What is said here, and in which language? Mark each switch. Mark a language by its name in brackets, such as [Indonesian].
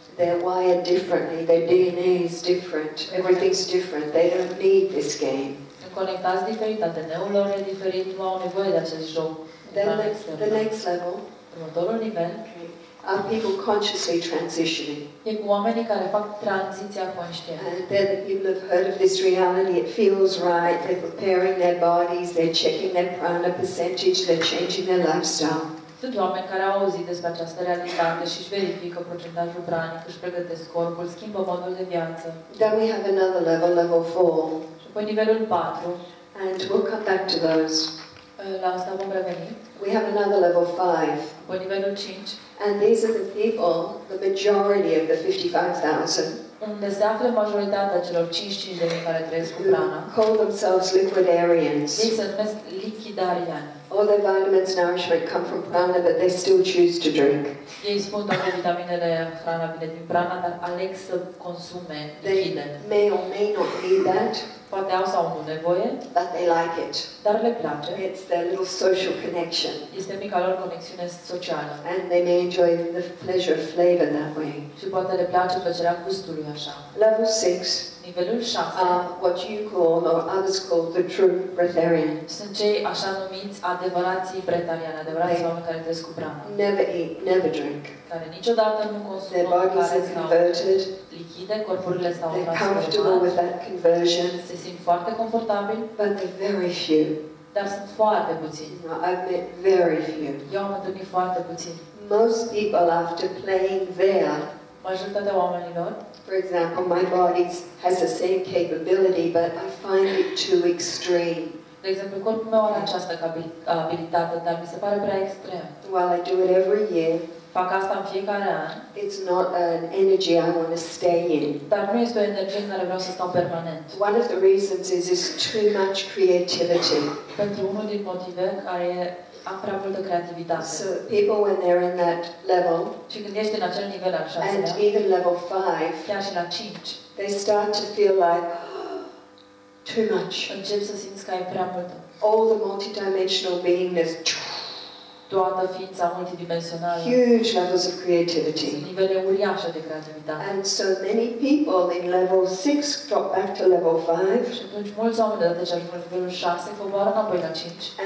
[English] They're wired differently, their DNA is different, everything's different, they don't need this game. [Romanian] Conectați diferit, ADN-ul lor e diferit, nu au nevoie de acest joc. [English] The next level, [Romanian] următorul nivel, [English] are people consciously transitioning. [Romanian] E cu oamenii care fac tranziția conștientă. [English] And then the people have heard of this reality, it feels right, they're preparing their bodies, they're checking their prana percentage, they're changing their lifestyle. [Romanian] Sunt oameni care au auzit despre această realitate și își verifică procentajul pranic, își pregătesc corpul, schimbă modul de viață. [English] Then we have another level, level 4. [Romanian] Și apoi nivelul 4. [English] And we'll come back to those. [Romanian] La asta vom reveni. [English] We have another level 5. [Romanian] Apoi nivelul 5. [English] And these are the people, the majority of the 55,000. [Romanian] Unde se află majoritatea celor 55,000 care trăiesc cu prana. [English] Call themselves liquidarians. [Romanian] Ei se numesc lichidariani. [English] All their vitamins and nourishment come from prana, but they still choose to drink. [Romanian] Ei spun toate vitaminele hrana vine din prana, dar aleg să consume lichide. [English] May or may not need that. [Romanian] Poate au sau nu nevoie. [English] But they like it. [Romanian] Dar le place. [English] It's their little social connection. [Romanian] Este mica lor conexiune socială. [English] And they may enjoy the pleasure of flavor that way. [Romanian] Și poate le place plăcerea gustului așa. [English] Level 6. [Romanian] Nivelul 6. [English] What you call or others call the true breatharian. [Romanian] Sunt cei așa numiți adevărații breatharian, adevărații oameni care trăiesc cu prana. [English] Never eat, never drink. [Romanian] Care niciodată nu consumă. [English] Their bodies are converted. [Romanian] Lichide, corpurile s-au transformat. [English] They're comfortable with that conversion. [Romanian] Se simt foarte confortabil. [English] But they're very few. [Romanian] Dar sunt foarte puțini. [English] No, I've met very few. [Romanian] Eu am întâlnit foarte puțini. [English] Most people after playing there. [Romanian] Majoritatea oamenilor. [English] For example, my body has the same capability, but I find it too extreme. [Romanian] De exemplu, corpul meu are această abilitate, dar mi se pare prea extrem. [English] While I do it every year, [Romanian] fac asta în fiecare an, [English] it's not an energy I want to stay in. [Romanian] Dar nu este o energie în care vreau să stau permanent. [English] One of the reasons is it's too much creativity. [Romanian] Pentru unul din motive care am prea multă creativitate. [English] So people when they're in that level, [Romanian] și când ești în acel nivel al șaselea, [English] and even level 5, [Romanian] chiar și la 5, [English] they start to feel like too much. [Romanian] Încep să simți că e prea mult. [English] All the multidimensional beingness, [Romanian] toată ființa multidimensională, [English] huge levels of creativity, [Romanian] nivele uriașe de creativitate. [English] And so many people in level 6 drop back to level 5. [Romanian] Și atunci mulți oameni de deja în nivelul 6 coboară înapoi la 5.